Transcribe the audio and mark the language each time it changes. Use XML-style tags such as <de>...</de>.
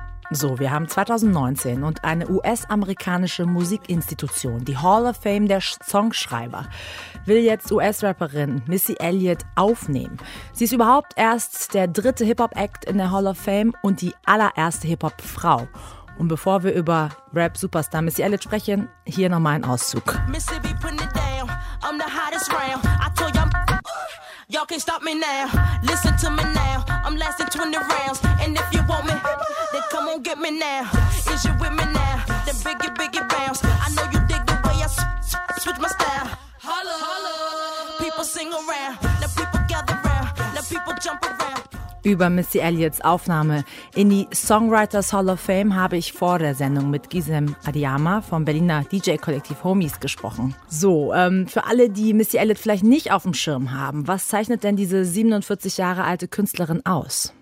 <de>So, wir haben 2019 und eine US-amerikanische Musikinstitution, die Hall of Fame der Songschreiber, will jetzt US-Rapperin Missy Elliott aufnehmen. Sie ist überhaupt erst der dritte Hip-Hop-Act in der Hall of Fame und die allererste Hip-Hop-Frau. Und bevor wir über Rap-Superstar Missy Elliott sprechen, hier nochmal ein Auszug.</de> <en>Missy be putting it down, I'm the hottest round. I told y'all can't stop me now. Listen to me now, I'm lasting 20 rounds. And if you want me, then come on get me now. Is you with me now, then biggie, biggie bounce. I know you dig the way I switch my style. Holla, holla, people sing around. Now people gather round, now people jump around.</en> <de>Über Missy Elliotts Aufnahme in die Songwriters Hall of Fame habe ich vor der Sendung mit Gizem Adiyama vom Berliner DJ-Kollektiv Homies gesprochen. So, für alle, die Missy Elliott vielleicht nicht auf dem Schirm haben, was zeichnet denn diese 47 Jahre alte Künstlerin aus?</de>